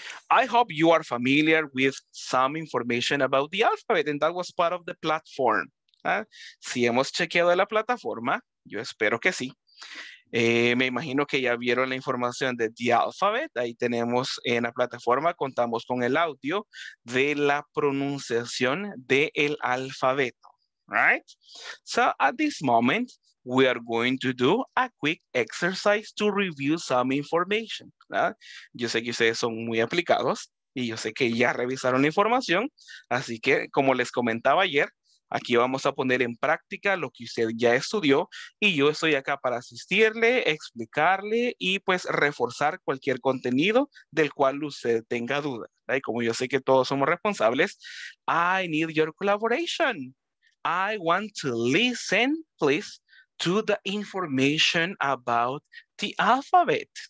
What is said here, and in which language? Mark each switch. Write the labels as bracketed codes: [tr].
[en] I hope you are familiar with some information about the alphabet, and that was part of the platform. [es] Si hemos chequeado la plataforma, yo espero que sí. Me imagino que ya vieron la información de The Alphabet. Ahí tenemos en la plataforma, contamos con el audio de la pronunciación del alfabeto. [en] Right? So at this moment, we are going to do a quick exercise to review some information. [es] ¿Verdad? Yo sé que ustedes son muy aplicados y yo sé que ya revisaron la información. Así que, como les comentaba ayer, aquí vamos a poner en práctica lo que usted ya estudió y yo estoy acá para asistirle, explicarle y pues reforzar cualquier contenido del cual usted tenga duda. Y como yo sé que todos somos responsables, [en] I need your collaboration. I want to listen, please, to the information about the alphabet.